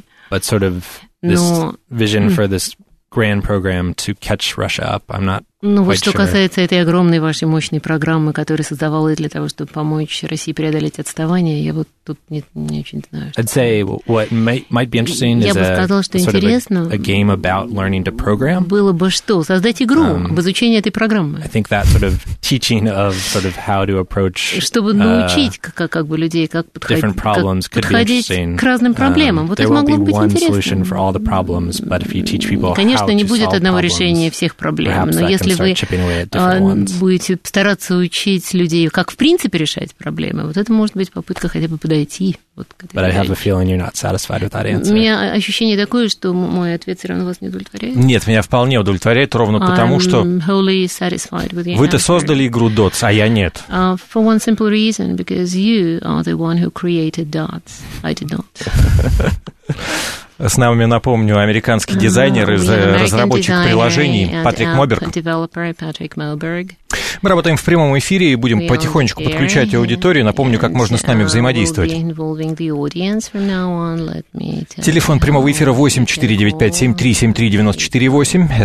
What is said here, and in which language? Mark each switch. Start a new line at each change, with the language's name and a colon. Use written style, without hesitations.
English: But sort of this vision for this grand program to catch Russia up. I'm not quite sure.
Russian: Ну, вот что касается этой огромной вашей мощной программы, которая создавалась для того, чтобы помочь России преодолеть отставание, я вот тут не очень знаю.
English: I'd say what might be interesting is a game about learning to program.
Russian: Было бы что? Создать игру об изучении этой программы.
English: I think that sort of teaching of sort of how to approach
Russian: чтобы научить как бы людей, как подходить к разным проблемам. Вот это могло быть интересно. Конечно, не будет одного решения всех проблем, но если вы будете стараться учить людей, как в принципе решать проблемы, вот это может быть попытка хотя бы подойти.
English: But I have a feeling you're not satisfied with that answer.
Russian: У меня ощущение такое, что мой ответ все равно вас не удовлетворяет. Нет, меня вполне удовлетворяет, ровно потому, что вы-то создали игру Dots, а я нет.
English: For one simple reason, because you are the one who created Dots. I did not.
Russian: С нами, напомню, американский дизайнер и разработчик приложений Патрик Моберг. Мы работаем в прямом эфире и будем потихонечку подключать аудиторию. Напомню, как можно с нами взаимодействовать. Телефон прямого эфира 8-495-7373-94-8.